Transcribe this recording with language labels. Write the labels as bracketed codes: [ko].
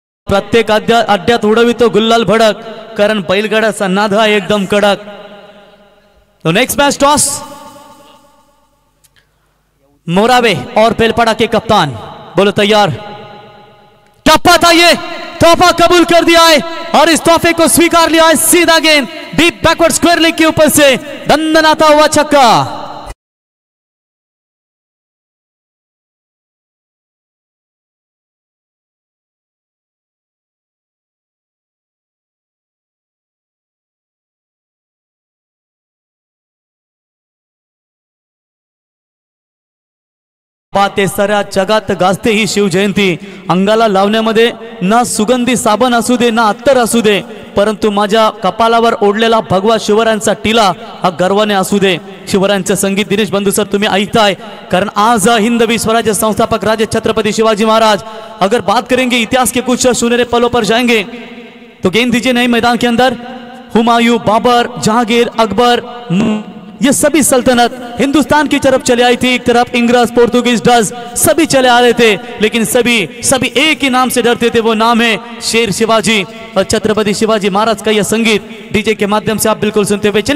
[mr] प्रत्येक अड्ड्यात उडवितो गुल्लाल भडक, कारण बैलगाड्याचा नादा एकदम कडक। [hi] तो नेक्स्ट मॅच टॉस मोरावे और बेलपाड़ा के कप्तान, बोलो तैयार। टप्पा था ये, तोहफा कबूल कर दिया है और इस तोहफे को स्वीकार लिया है। सीधा गेंद डीप बैकवर्ड स्क्वायर लेग के ऊपर से दंदनाता हुआ छक्का। [mr] पाते सऱ्या जगात गाजते ही शिवजयंती। अंगाला लावण्यामध्ये ना सुगंधी साबण असू दे ना अत्तर असू दे, परंतु माझ्या कपाळावर ओढलेला भगवा शिवरायांचा टिला हा गर्वाने असू दे। शिवरायांचं संगीत दिनेश बंधू सर तुम्ही ऐकताय, कारण आज हिंदवी स्वराज्य संस्थापक राजे छत्रपती शिवाजी महाराज, [hi] अगर बात करेंगे इतिहास के कुछ सुनहरे पलों पर जाएंगे तो गेंद दीजिए नए मैदान के अंदर, हुमायूं, बाबर, जहांगीर, अकबर, ये सभी सल्तनत हिंदुस्तान की तरफ चले आई थी, एक तरफ इंग्रज, पोर्तुगीज, डच सभी चले आ रहे थे, लेकिन सभी सभी एक ही नाम से डरते थे, वो नाम है शेर शिवाजी और छत्रपति शिवाजी महाराज का यह संगीत डीजे के माध्यम से आप बिल्कुल सुनते हुए।